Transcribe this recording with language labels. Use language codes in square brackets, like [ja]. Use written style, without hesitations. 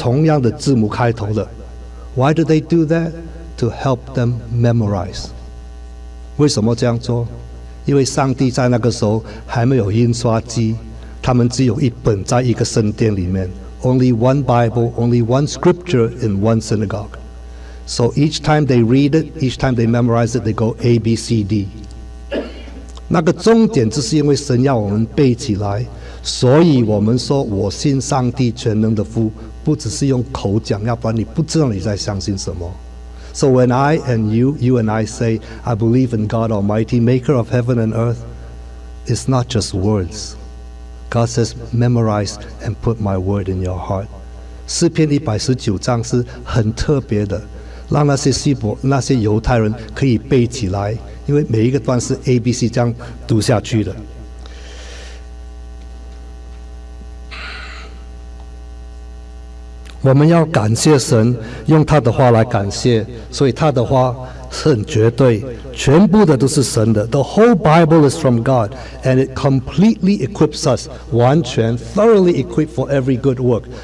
[zh] 每一个阶段的那个八个节呢，都是用同样的字母开头的. [en] Why do they do that? To help them memorize. [zh] 为什么这样做? 因为上帝在那个时候还没有印刷机，他们只有一本在一个圣殿里面. [en] Only one Bible, only one scripture in one synagogue. So each time they read it, each time they memorize it, they go A, B, C, D. [zh] 那个终点就是因为神要我们背起来，所以我们说我信上帝全能的父，不只是用口讲，要不然你不知道你在相信什么。 [en] So when I and you and I say, I believe in God Almighty, maker of heaven and earth, it's not just words. God says, memorize and put my word in your heart. [zh] 诗篇119章是很特别的。让那些犹太人可以背起来, 因为每一个段是ABC 这样读下去的。我们要感谢神, 用他的话来感谢, 所以他的话是很绝对, 全部的都是神的, [en] the whole Bible is from God, and it completely equips us, [zh] 完全, [en] thoroughly equipped for every good work.